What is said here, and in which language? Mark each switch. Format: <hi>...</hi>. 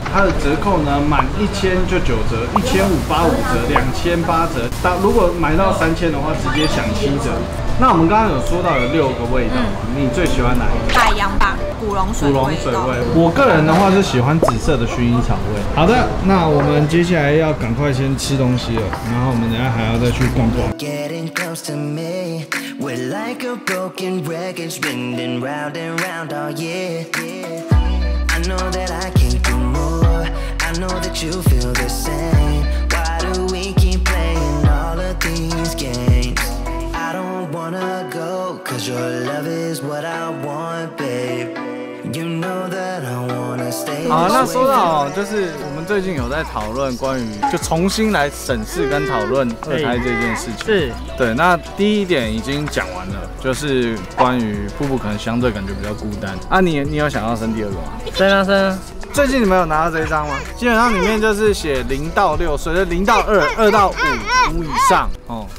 <zh>它的折扣呢，满1000就9折，1500打5折，2800折，如果买到3000的话，直接享7折。那我们刚刚有说到有六个味道，你最喜欢哪一个？海洋吧，古龙水味。古龙水味，我个人的话是喜欢紫色的薰衣草味。好的，那我们接下来要赶快先吃东西了，然后我们等一下还要再去逛逛。</zh> <en>Getting close to me, we're like a broken record, spinning round and round all year. I know that I can do more, I know that you feel the same. Why do we keep playing all of these games? Wanna go, cause your love is what I want, babe. You know that I wanna stay.</en> <zh>好，那说到就是我们最近有在讨论关于就重新来审视跟讨论二胎这件事情。是，对。那第一点已经讲完了，就是关于夫妇可能相对感觉比较孤单。啊，你有想要生第二个吗？生啊生啊。最近你们有拿到这一张吗？基本上里面就是写0到6，随着0到2，2到5以上哦。</zh>